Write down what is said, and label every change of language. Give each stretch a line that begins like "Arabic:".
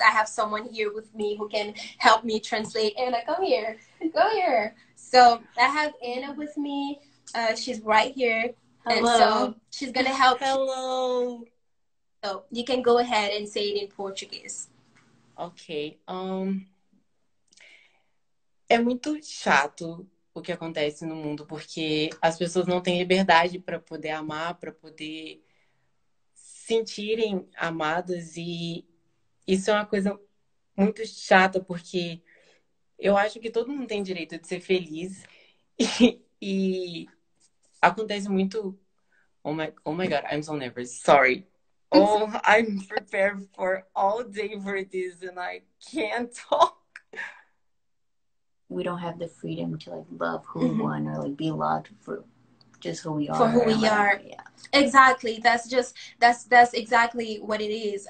English: I have someone here with me who can help me translate. Anna, come here. Go here. So I have Anna with me. She's right here. Hello. And so she's going to help. Hello. So you can go ahead and say it in Portuguese. Okay.
Portuguese: É muito chato o que acontece no mundo, porque as pessoas não têm liberdade para poder amar, para poder sentirem amadas, e isso é uma coisa muito chata, porque eu acho que todo mundo tem direito de ser feliz, e acontece muito...
English: Oh my God, I'm so nervous, sorry. Oh, I'm prepared for all day for this, and I can't talk. We don't have the freedom to like love who we want or like be loved for just who we are. For who we are. Yeah. Exactly. That's exactly what it is.